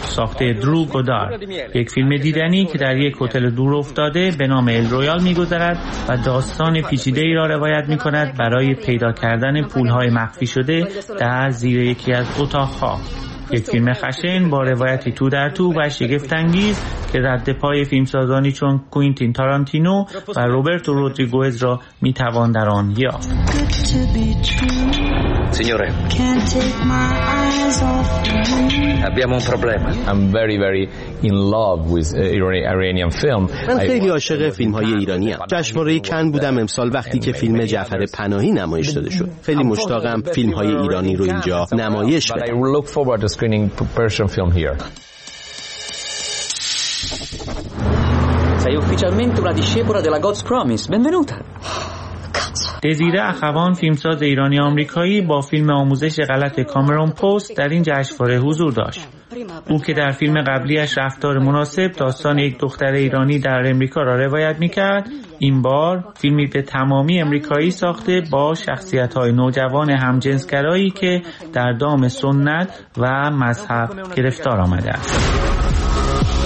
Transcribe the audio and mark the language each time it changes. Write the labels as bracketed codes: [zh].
[fa] ساخته درو گودار، یک فیلم دیدنی که در یک هتل دور افتاده به نام ال رویال می‌گذرد و داستان پیچیده ای را روایت می‌کند برای پیدا کردن پول‌های مخفی شده در زیر یکی از اتاق‌ها. یک فیلم خشن با روایتی تو در تو و شگفت انگیز که رد پای فیلمسازانی چون کوینتین تارانتینو و روبرتو رودریگوز را میتوان در آن یافت. [it] Signore, abbiamo un problema. [en] I'm very, very in love with Iranian film. [fa] من خیلی عاشق فیلم‌های ایرانیم. جشنواره کن بودم امسال وقتی که فیلم جعفر پناهی نمایش داده شد. خیلی مشتاقم فیلم‌های ایرانی رو اینجا نمایش بدم. [en] I look forward to screening Persian film here. [it] Sei ufficialmente una discepola della God's Promise. Benvenuta. [fa] دزیره اخوان فیلمساز ایرانی آمریکایی با فیلم آموزش غلط کامرون پست در این جشنواره حضور داشت. او که در فیلم قبلیش رفتار مناسب داستان یک دختر ایرانی در امریکا را روایت میکرد، این بار فیلمی به تمامی امریکایی ساخته با شخصیت‌های نوجوان همجنسگرایی که در دام سنت و مذهب گرفتار آمده است.